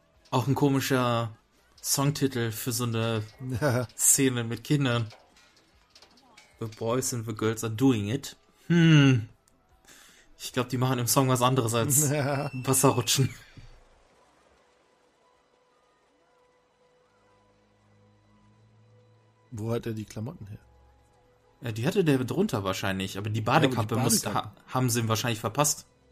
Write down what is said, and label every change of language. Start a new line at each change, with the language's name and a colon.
German: Auch ein komischer Songtitel für so eine Szene mit Kindern.
English: The boys and the girls are doing it.
German: Ich glaube, die machen im Song was anderes als Wasserrutschen. Wo hat er die Klamotten her? Ja, die hatte der drunter wahrscheinlich, aber die Badekappe haben sie ihm wahrscheinlich verpasst.